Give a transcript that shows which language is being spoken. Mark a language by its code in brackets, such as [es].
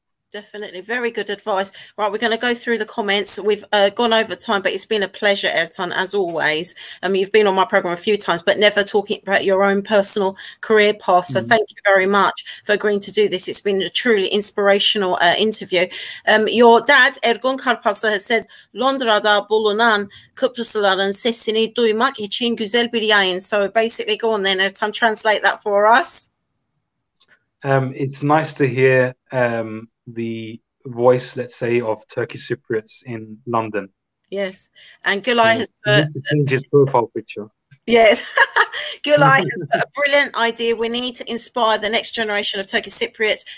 [en] Definitely. Very good advice. Right, we're going to go through the comments. We've gone over time, but it's been a pleasure, Ertan, as always. You've been on my program a few times, but never talking about your own personal career path. So thank you very much for agreeing to do this. It's been a truly inspirational interview. Your dad, Ergun Karpazlı, has said, [tr] Londra'da bulunan Kıbrıslıların sesini duymak için güzel bir yayın. [en] So basically, go on then, Ertan, translate that for us. It's nice to hear the voice, let's say, of Turkish Cypriots in London. Yes, and Gülay has changed his profile picture. Yes, Gülay has a brilliant idea. We need to inspire the next generation of Turkish Cypriots.